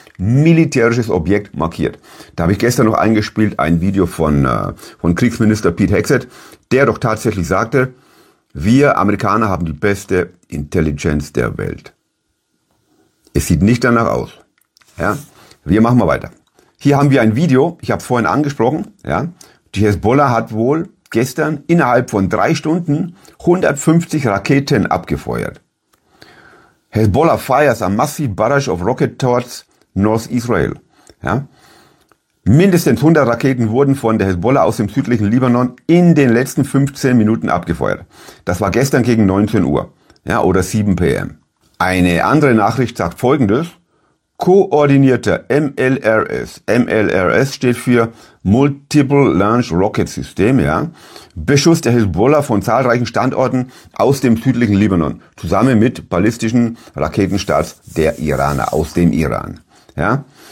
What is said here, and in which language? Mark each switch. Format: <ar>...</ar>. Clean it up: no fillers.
<de>militärisches Objekt markiert. Da habe ich gestern noch eingespielt, ein Video von Kriegsminister Pete Hegseth, der doch tatsächlich sagte, wir Amerikaner haben die beste Intelligenz der Welt. Es sieht nicht danach aus. Ja, wir machen mal weiter. Hier haben wir ein Video, ich habe vorhin angesprochen, ja, die Hezbollah hat wohl gestern innerhalb von 3 Stunden 150 Raketen abgefeuert.</de> <en>Hezbollah fires a massive barrage of rocket towards North Israel.</en> <de>Ja. Mindestens 100 Raketen wurden von der Hezbollah aus dem südlichen Libanon in den letzten 15 Minuten abgefeuert. Das war gestern gegen 19 Uhr, ja, oder 7 p.m. Eine andere Nachricht sagt folgendes. Koordinierter MLRS, MLRS steht für Multiple Launch Rocket System, ja, Beschuss der Hezbollah von zahlreichen Standorten aus dem südlichen Libanon, zusammen mit ballistischen Raketenstarts der Iraner aus dem Iran. Ja.</de>